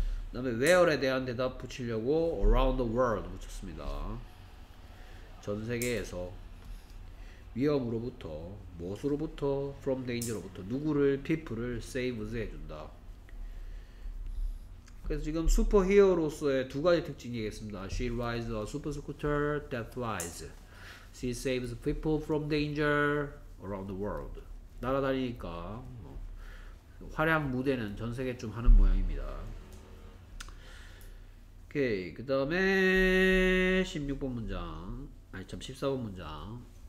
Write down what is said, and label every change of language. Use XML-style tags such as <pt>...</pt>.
<ko>그다음에 where에 대한 대답 붙이려고</ko> <en>around the world</en> <ko>붙였습니다. 전 세계에서 위험으로부터, 무엇으로부터,</ko> <en>from danger</en> <ko>로부터, 누구를, people을 save해준다. 그래서 지금 슈퍼히어로서의 두 가지 특징이 있습니다.</ko> <en>She rides a super scooter that flies. She saves people from danger around the world.</en> <ko>날아다니니까 활약 무대는 전 세계 좀 하는 모양입니다. 오케이, 그 다음에 16번 문장, 아니 참 14번 문장.</ko>